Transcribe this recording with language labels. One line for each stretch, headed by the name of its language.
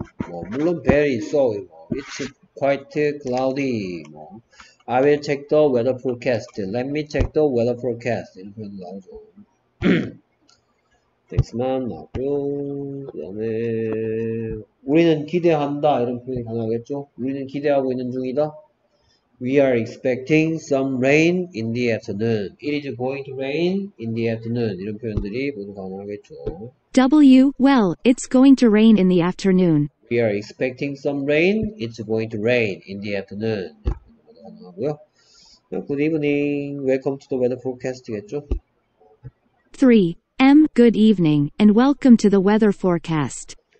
Korean: 뭐 물론
English: very so, it's quite cloudy. 뭐, I will check the weather forecast. Let me check the weather forecast.
Korean: 이런 표현도 나오죠. thanks만 나오고 그 다음에 우리는 기대한다 이런 표현이 가능하겠죠. 우리는 기대하고 있는 중이다.
English: We are expecting some rain in the afternoon. It is going to rain in the afternoon.
Korean: 이런 표현들이 모두 가능하겠죠. W.
English: Well, it's going to rain in the afternoon. We are expecting some rain. It's going to rain in the afternoon.
Korean: 모두 가능하고요.
English: Good evening. Welcome to the weather forecast겠죠. 3. M. Good evening and welcome to the weather forecast.